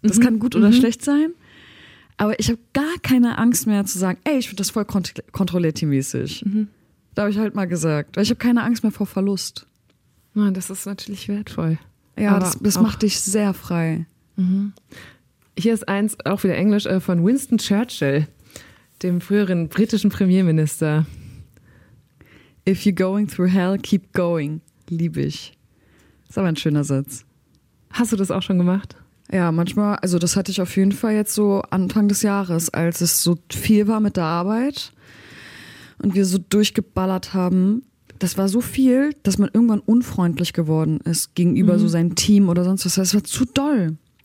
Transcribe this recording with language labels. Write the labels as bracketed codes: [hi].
[de] Das kann gut oder schlecht sein. Aber ich habe gar keine Angst mehr zu sagen, ey, ich finde das voll kontrolliert-mäßig. Mhm. Da habe ich halt mal gesagt. Ich habe keine Angst mehr vor Verlust. Na, das ist natürlich wertvoll. Ja, das macht dich sehr frei. Mhm. Hier ist eins, auch wieder Englisch, von Winston Churchill, dem früheren britischen Premierminister. [en] If you're going through hell, keep going. [de] Liebe ich. Ist aber ein schöner Satz. Hast du das auch schon gemacht? Ja, manchmal, also das hatte ich auf jeden Fall jetzt so Anfang des Jahres, als es so viel war mit der Arbeit und wir so durchgeballert haben. Das war so viel, dass man irgendwann unfreundlich geworden ist gegenüber so seinem Team oder sonst was. Das war zu doll.